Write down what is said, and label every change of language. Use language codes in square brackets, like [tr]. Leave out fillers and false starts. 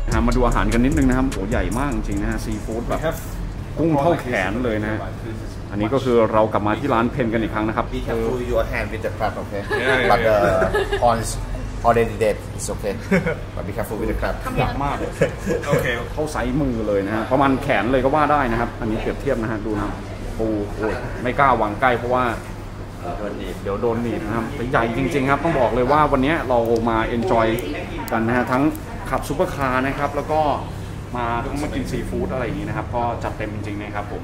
[th] มาดูอาหารกันนิดนึงนะครับโหใหญ่มากจริงนะฮะซีฟู้ดแบบกุ้งเท่าแขนเลยนะอันนี้ก็คือเรากลับมาที่ร้านเพนกันอีกครั้งนะครับ [en] Be careful with your hand with the crab okay but the prawns already dead it's okay but be careful with the crab [th] หนักมากโอเคเข้าใส่มือเลยนะฮะประมาณแขนเลยก็ว่าได้นะครับอันนี้เปรียบเทียบนะฮะดูนะปูโอ้ยไม่กล้าวางใกล้เพราะว่าเดี๋ยวโดนหนีบนะครับแต่ใหญ่จริงๆครับต้องบอกเลยว่าวันนี้เรามา enjoy กันนะฮะทั้งขับซุปเปอร์คาร์นะครับแล้วก็มาต้องมากินซีฟู้ดอะไรอย่างนี้นะครับก็จัดเต็มจริงๆนะครับผม